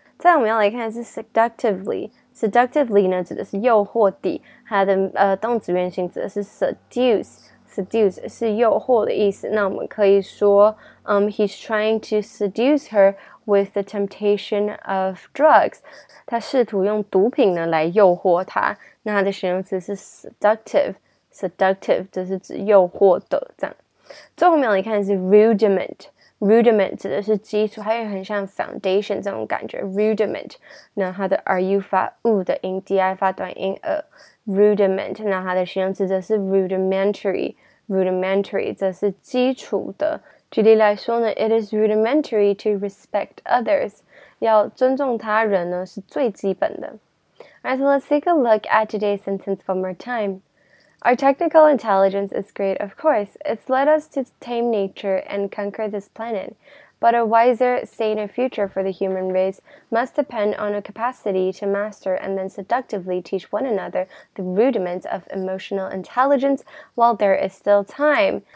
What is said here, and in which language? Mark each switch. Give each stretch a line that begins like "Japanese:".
Chinese: 再我们要来看的是 seductively。Seductively 呢指的是诱惑的， 它的动词原形指的是 seduce。 Seduce 是诱惑的意思。那我们可以说
English: He's trying to seduce her with the temptation of drugs.
Chinese: 他试图用毒品呢来诱惑她。那他的形容词是 seductive。 Seductive 就是指诱惑的这样。最后面来看是 rudiment。 Rudiment 指的是基础， 还有很像foundation 这种感觉。 Rudiment 那他的 RU 发U的音， DI 发短音 Rudiment 那他的形容词则是 rudimentary。 Rudimentary 则是基础的。举例来说呢，
English: It is rudimentary to respect others.
Chinese: 要尊重他人呢是最基本的。
English: Alright, so let's take a look at today's sentence one more time. Our technical intelligence is great, of course. It's led us to tame nature and conquer this planet. But a wiser, saner future for the human race must depend on a capacity to master and then seductively teach one another the rudiments of emotional intelligence while there is still time.